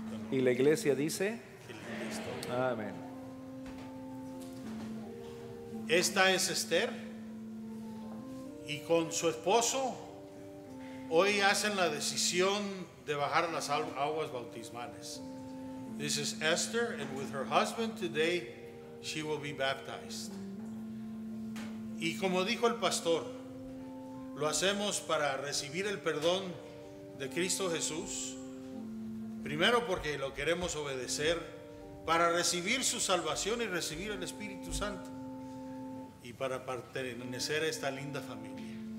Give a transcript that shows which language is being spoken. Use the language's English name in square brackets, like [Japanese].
[Spanish] Y la iglesia dice, amén. Esta es Esther y con su esposo hoy hacen la decisión de bajar las aguas bautismales. [English] This is Esther, and with her husband today, she will be baptized. [Spanish] Y como dijo el pastor, lo hacemos para recibir el perdón de Cristo Jesús. Primero porque lo queremos obedecer, para recibir su salvación y recibir el Espíritu Santo. Y para pertenecer a esta linda familia.